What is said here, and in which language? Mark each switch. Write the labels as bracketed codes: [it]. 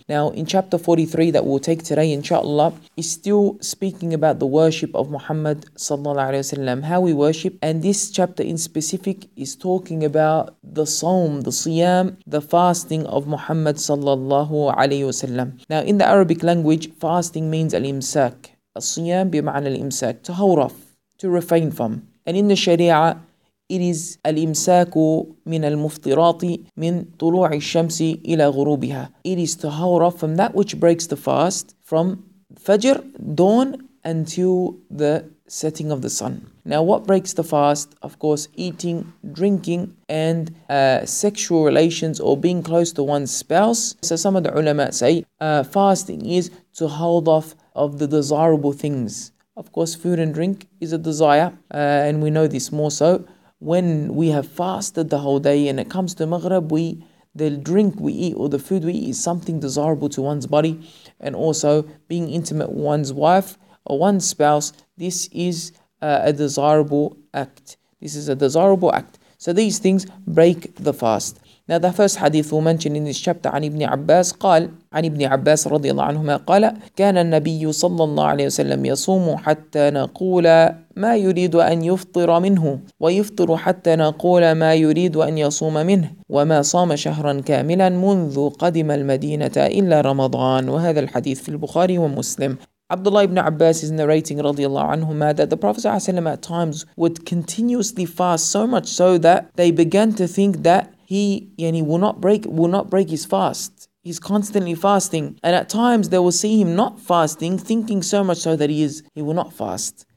[en] Now, in chapter 43 that we'll take today, inshallah, is still speaking about the worship of Muhammad sallallahu alayhi wa sallam, how we worship. And this chapter in specific is talking about the sawm, the siyam, the fasting of Muhammad sallallahu alayhi wa sallam. Now, in the Arabic language, fasting means al-imsak. [ar] Al-siyam bima'na al-imsak, [en] to hold off, to refrain from. And in the Sharia, it is [ar] الإمساك من المفطرات من طلوع الشمس إلى غروبها. [en] It is to hold off from that which breaks the fast from Fajr, dawn, until the setting of the sun. Now, what breaks the fast? Of course, eating, drinking, and sexual relations or being close to one's spouse. So some of the ulama say fasting is to hold off of the desirable things. Of course, food and drink is a desire, and we know this more so. When we have fasted the whole day and it comes to Maghrib, the drink we eat or the food we eat is something desirable to one's body. And also being intimate with one's wife or one's spouse, this is a desirable act. This is a desirable act. So these things break the fast. Now the first hadith we mentioned in this chapter, [ar] عن ابن عباس قال عن ابن عباس رضي الله عنهما قال كان النبي صلى الله عليه وسلم يصوم حتى نقول ما يريد أن يفطر منه ويفطر حتى نقول ما يريد أن يصوم منه وما صام شهرا كاملا منذ قدم المدينة إلا رمضان. وهذا الحديث في البخاري ومسلم. [en] Abdullah ibn Abbas is narrating radiallahu anhuma that the Prophet ﷺ at times would continuously fast, so much so that they began to think that he will not break his fast. He's constantly fasting. And at times they will see him not fasting, thinking so much so that he will not fast.